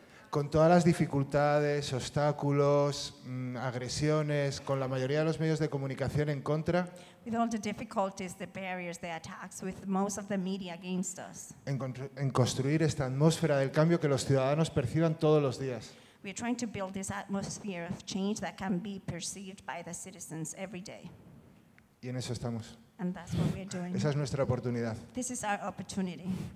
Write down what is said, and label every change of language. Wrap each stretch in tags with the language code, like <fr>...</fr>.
<es>Con todas las dificultades, obstáculos, agresiones, con la mayoría de los medios de comunicación en contra.</es> <en>With all the difficulties, the barriers, the attacks, with most of the media against us.</en> <es>En construir esta atmósfera del cambio que los ciudadanos perciban todos los días.</es> <en>We are trying to build this atmosphere of change that can be perceived by the citizens every day.</en> <es>Y en eso estamos.</es> <en>And that's what we are doing.</en> <es>Esa es nuestra oportunidad.</es> <en>This is our opportunity.</en>